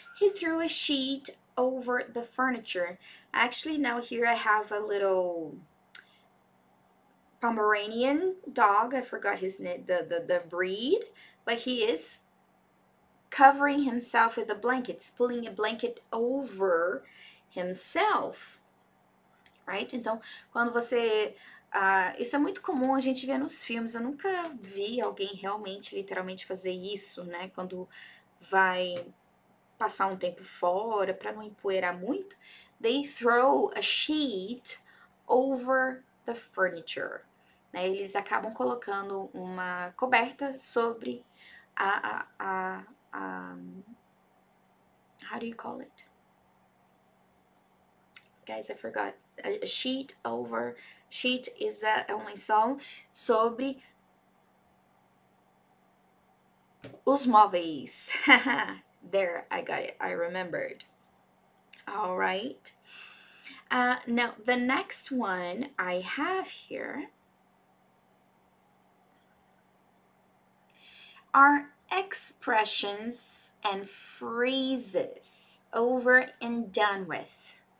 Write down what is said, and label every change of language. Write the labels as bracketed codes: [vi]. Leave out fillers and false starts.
[en] He threw a sheet over the furniture. Actually, now here I have a little Pomeranian dog. I forgot his name, the breed, but he is covering himself with a blanket, pulling a blanket over himself. [pt] Right? Então, quando você. Isso é muito comum a gente ver nos filmes. Eu nunca vi alguém realmente, literalmente fazer isso, né? Quando vai passar um tempo fora, para não empoeirar muito. [en] They throw a sheet over the furniture, né? [pt] Eles acabam colocando uma coberta sobre a. [en] How do you call it? Guys, I forgot. A sheet over. Sheet is [pt] é um lençol sobre os móveis. [en] There, I got it. I remembered. All right. Now, the next one I have here are expressions and phrases over and done with.